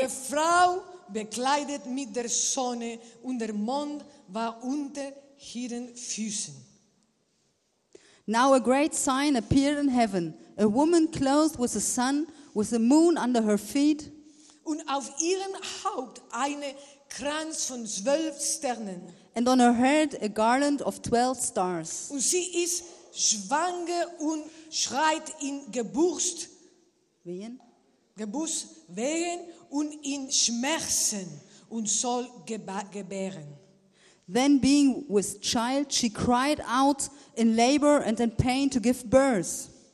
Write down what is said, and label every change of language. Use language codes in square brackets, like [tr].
[de] Eine Frau bekleidet mit der Sonne und der Mond war unter ihren Füßen. [en] Now a great sign appeared in heaven. A woman clothed with the sun, with the moon under her feet. [de] Und auf ihrem Haupt eine Kranz von 12 Sternen. [en] And on her head a garland of 12 stars. [de] Und sie ist schwanger und schreit in Geburtswehen und in Schmerzen und soll gebären. [en] Then being with child, she cried out in labor and in pain to give birth.